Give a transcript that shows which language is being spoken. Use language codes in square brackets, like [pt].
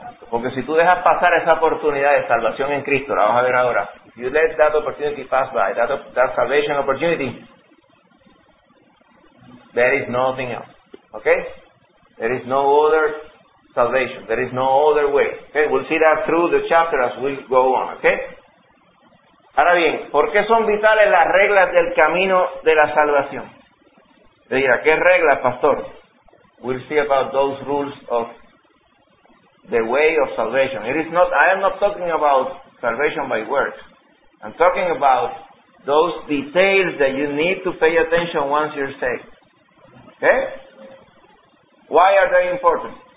[es] Porque si tú dejas pasar esa oportunidad de salvación en Cristo, la vas a ver ahora. [en] You let that opportunity pass by, that salvation opportunity, there is nothing else. Okay? There is no other salvation. There is no other way. Okay? We'll see that through the chapter as we go on. Okay? [es] Ahora bien, ¿por qué son vitales las reglas del camino de la salvación? Te dirá, ¿qué reglas, pastor? [en] We'll see about those rules of the way of salvation. It is not, I am not talking about salvation by works. I'm talking about those details that you need to pay attention once you're saved. Okay? Why are they important?